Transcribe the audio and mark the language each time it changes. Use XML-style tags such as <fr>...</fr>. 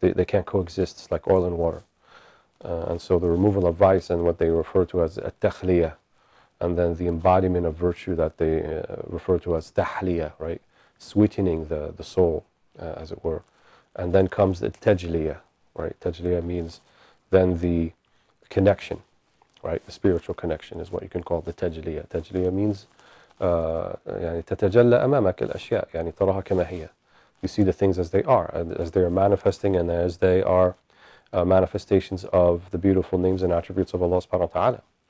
<en>They can't coexist, it's like oil and water. And so the removal of vice and what they refer to as at-takhliya, and then the embodiment of virtue that they refer to as tahliya, right? Sweetening the soul, as it were. And then comes the tajliya, right? Tajliya means then the connection, right? The spiritual connection is what you can call the tajliya. Tajliya means</en> <ar>يعني تتجلى أمامك الأشياء, يعني تراها كما هي.</ar> <en>You see the things as they are, as they are manifesting, and as they are manifestations of the beautiful names and attributes of Allah subhanahu wa ta'ala.</en>